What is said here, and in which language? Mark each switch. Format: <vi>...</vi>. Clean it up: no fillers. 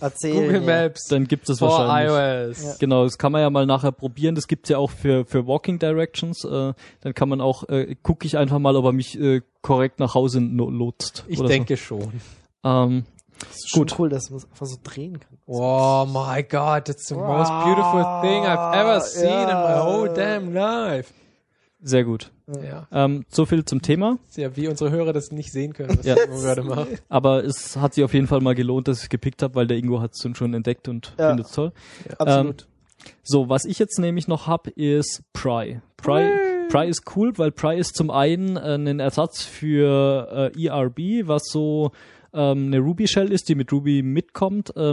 <de>erzählen, Google Maps. Dann gibt es wahrscheinlich.</de> <en>For iOS.</en> <de>Ja. Genau, das kann man ja mal nachher probieren. Das gibt es ja auch für Walking Directions. Dann kann man auch, gucke ich einfach mal, ob er mich korrekt nach Hause lotst. Ich oder denke so. Schon. Das ist gut. Schon cool, dass man es einfach so drehen kann.</de> <en>Oh my God, it's the most beautiful thing I've ever seen in my whole damn life.</en> <de>Sehr gut. Ja. So viel zum Thema. Ja, wie unsere Hörer das nicht sehen können, was Ingo gerade macht. Aber es hat sich auf jeden Fall mal gelohnt, dass ich es gepickt habe, weil der Ingo hat es schon entdeckt und findet es toll. Ja. Absolut. So, was ich jetzt nämlich noch habe, ist Pry. Pry. Pry ist cool, weil Pry ist zum einen ein Ersatz für ERB, was so eine Ruby-Shell ist, die mit Ruby mitkommt.</de>